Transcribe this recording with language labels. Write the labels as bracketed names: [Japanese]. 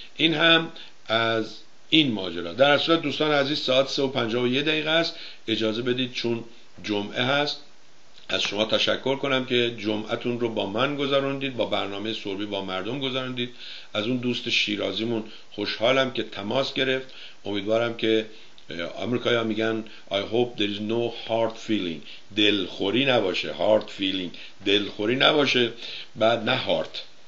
[Persian] این هم از این ماجرا. در اصل دوستان عزیز ساعت 3:51 است، اجازه بدید چون جمعه هست از شما تشکر کنم که جمعتون رو با من گذروندید، با برنامه سربی با مردم گذروندید. از اون دوست شیرازیمون خوشحالم که تماس گرفت. امیدوارم که آمریکایی‌ها میگن [English] I hope there is no hard feeling، [Persian] دلخوری نباشه. hard feeling دلخوری نباشه، بعد نه hard.